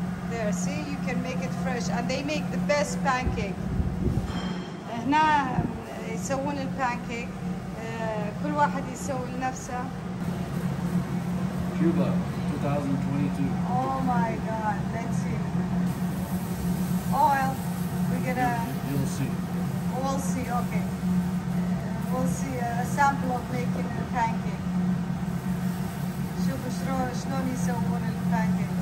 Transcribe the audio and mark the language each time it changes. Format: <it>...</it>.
<en>There, see, you can make it fresh, and they make the best pancake.</en> <ar>هنا يسوون البانكيك كل واحد يسوي لنفسه. كوبا 2022.</ar> <en>Oh my god, let's see. Oil, we're gonna. You'll see. We'll see, okay. We'll see a sample of making the pancake.</en> <ar>شوفوا شلون يسوون البانكيك.</ar>